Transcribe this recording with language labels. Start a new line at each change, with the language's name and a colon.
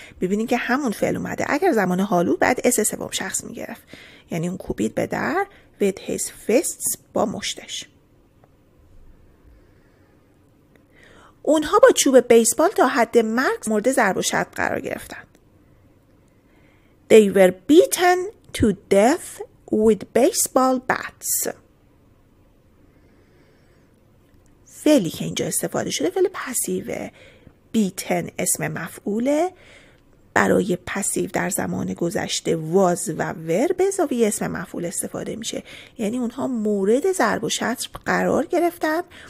Persian: ببینید که همون فعل اومده. اگر زمان حالو بعد اس سوم شخص می گرفت، یعنی اون کوبید به در
English: with his fists
Persian: با مشتش. اونها با چوب بیسبال تا حد مرگ مورد ضرب و شتم قرار گرفتن.
English: They were beaten to death with baseball bats.
Persian: فعلی که اینجا استفاده شده فعل پسیوه. beaten اسم مفعوله، برای پسیو در زمان گذشته was و were به اضافه اسم مفعول استفاده میشه. یعنی اونها مورد ضرب و شتم قرار گرفتن.